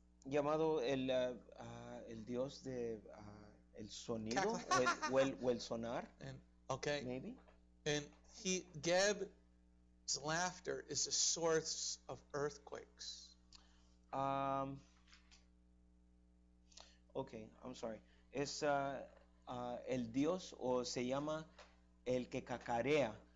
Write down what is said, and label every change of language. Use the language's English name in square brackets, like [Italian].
[Spanish] llamado el dios de el sonido o el sonar. [English] And, okay. Maybe. And Geb's laughter is a source of earthquakes. Okay, I'm sorry. [Spanish] Es el dios o se llama el que cacarea.